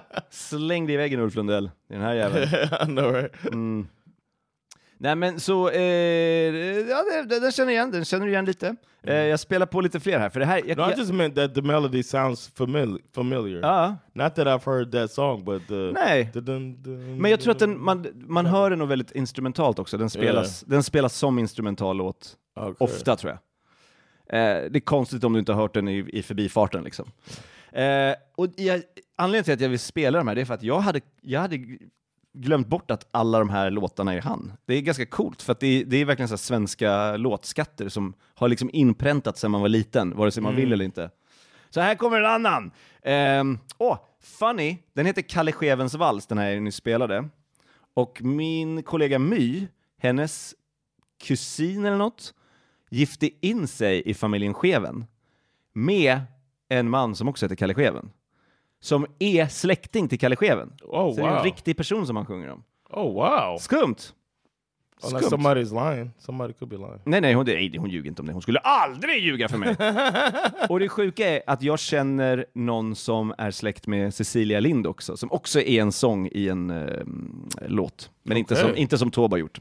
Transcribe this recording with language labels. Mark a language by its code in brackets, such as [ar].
[sv] Släng dig i väggen, Ulf Lundell. Den här jäveln. [en] Yeah, I know, right? [sv] Nej, men så ja, den känner igen. Den känner du igen lite. Jag spelar på lite fler här, för det här jag, [en] no, I just meant that the melody sounds familiar. Not that I've heard that song, but [sv] nej. Men jag tror att man hör den nog väldigt instrumentalt också. Den spelas som instrumental låt. [en] Okay. [sv] Ofta, tror jag. Det är konstigt om du inte har hört den i förbifarten liksom. Och anledningen till att jag vill spela de här, det är för att jag hade glömt bort att alla de här låtarna är han. Det är ganska coolt, för att det är verkligen så här svenska låtskatter som har liksom inpräntat sedan man var liten, vare sig man vill eller inte. Så här kommer en annan. Funny, den heter Kalle Schewens vals, den här ni spelade. Och min kollega My, hennes kusin eller något, gifte in sig i familjen Scheven med en man som också heter Kalle Scheven. Som är släkting till Kalle Scheven. Oh, så Det är en riktig person som han sjunger om. [en] Oh, wow. [sv] Skumt. [en] Unless somebody's lying. Somebody could be lying. [sv] Nej, hon ljuger inte om det. Hon skulle aldrig ljuga för mig. Och det sjuka är att jag känner någon som är släkt med Cecilia Lind också. Som också är en sång i en låt. Men okay. inte som Taube har gjort.